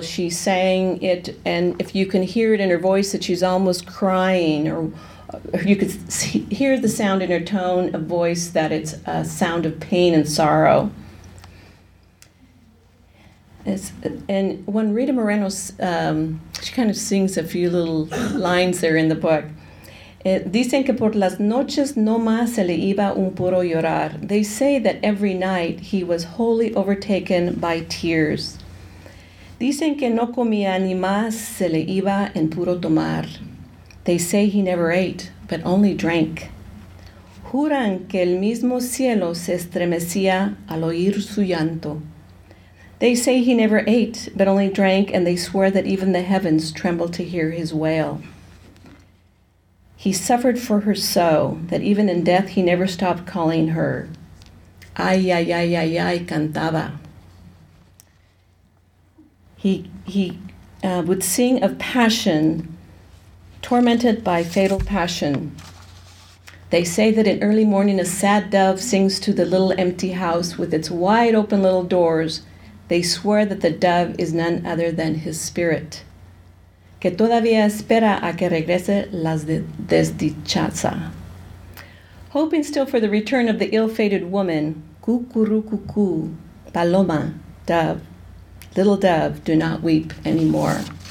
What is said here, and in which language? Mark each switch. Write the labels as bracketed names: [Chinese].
[English] She sang it, and if you can hear it in her voice, that she's almost crying, or you could hear the sound in her tone of voice that it's a sound of pain and sorrow. And when Rita Moreno, she kind of sings a few little lines there in the book. [Spanish] Dicen que por las noches no más se le iba un puro llorar. [English] They say that every night he was wholly overtaken by tears. [Spanish] Dicen que no comía ni más se le iba en puro tomar. [English] They say he never ate, but only drank. [Spanish] Juran que el mismo cielo se estremecía al oír su llanto. [English] They say he never ate, but only drank, and they swear that even the heavens trembled to hear his wail. He suffered for her so, that even in death he never stopped calling her. [Spanish] Ay, ay, ay, ay, ay, cantaba. [English] He would sing of passion, tormented by fatal passion. They say that in early morning a sad dove sings to the little empty house with its wide open little doors. They swear that the dove is none other than his spirit. [Spanish] Que todavía espera a que regrese la desdichada. [English] Hoping still for the return of the ill-fated woman, [Spanish] cucuru cucu, paloma, [English] dove, little dove, do not weep anymore.